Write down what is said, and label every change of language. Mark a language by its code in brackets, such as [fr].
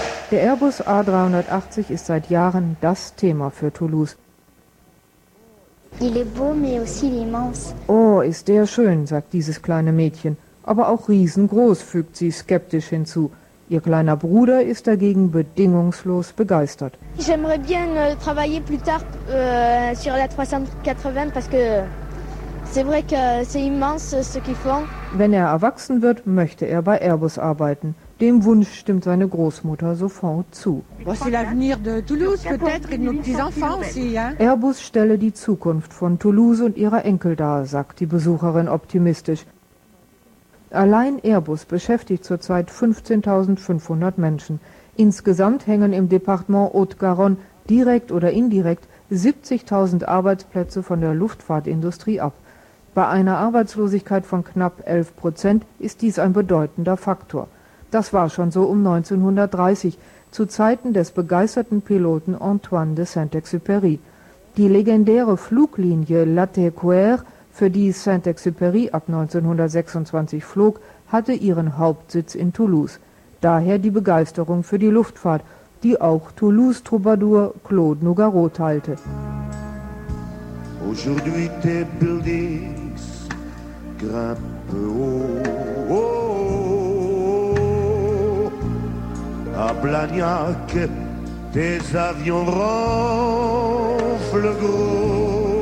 [de] Der Airbus A380 ist seit Jahren das Thema für Toulouse. [fr] Il est beau, mais aussi immense. [de] Oh, ist der schön, sagt dieses kleine Mädchen. Aber auch riesengroß, fügt sie skeptisch hinzu. Ihr kleiner Bruder ist dagegen bedingungslos begeistert. [fr] J'aimerais bien travailler plus tard sur la 380, parce que c'est vrai que c'est immense ce qu'ils font. [de] Wenn er erwachsen wird, möchte er bei Airbus arbeiten. Dem Wunsch stimmt seine Großmutter sofort zu. Airbus stelle die Zukunft von Toulouse und ihrer Enkel dar, sagt die Besucherin optimistisch. Allein Airbus beschäftigt zurzeit 15.500 Menschen. Insgesamt hängen im Departement Haute-Garonne direkt oder indirekt 70.000 Arbeitsplätze von der Luftfahrtindustrie ab. Bei einer Arbeitslosigkeit von knapp 11% ist dies ein bedeutender Faktor. Das war schon so um 1930, zu Zeiten des begeisterten Piloten Antoine de Saint-Exupéry. Die legendäre Fluglinie Latécoère, für die Saint-Exupéry ab 1926 flog, hatte ihren Hauptsitz in Toulouse. Daher die Begeisterung für die Luftfahrt, die auch Toulouse-Troubadour Claude Nougaro teilte. [fr] Aujourd'hui tes buildings grimpent haut. À Blagnac, tes avions ronflent gros.